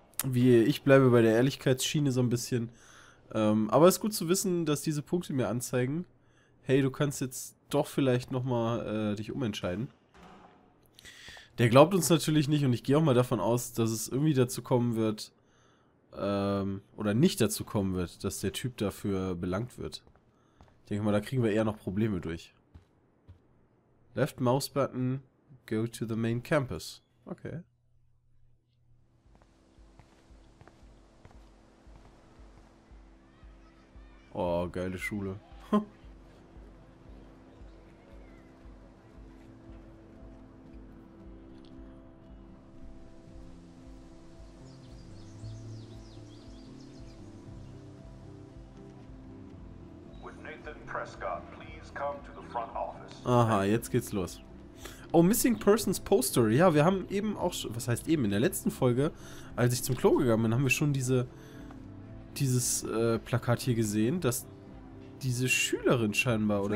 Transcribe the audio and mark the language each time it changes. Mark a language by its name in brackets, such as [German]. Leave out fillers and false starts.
[German] Ich bleibe bei der Ehrlichkeitsschiene so ein bisschen. Aber es ist gut zu wissen, dass diese Punkte mir anzeigen, hey, du kannst jetzt doch vielleicht nochmal dich umentscheiden. Der glaubt uns natürlich nicht und ich gehe auch mal davon aus, dass es irgendwie dazu kommen wird, oder nicht dazu kommen wird, dass der Typ dafür belangt wird. Ich denke mal, da kriegen wir eher noch Probleme durch. [English] Left mouse button, go to the main campus. Okay. [German] Oh, geile Schule. [English] With Nathan Prescott, please come to the front office. [German] Aha, jetzt geht's los. Oh, Missing Persons Poster. Ja, wir haben eben auch, was heißt eben, in der letzten Folge, als ich zum Klo gegangen bin, haben wir schon dieses Plakat hier gesehen, dass diese Schülerin scheinbar, oder?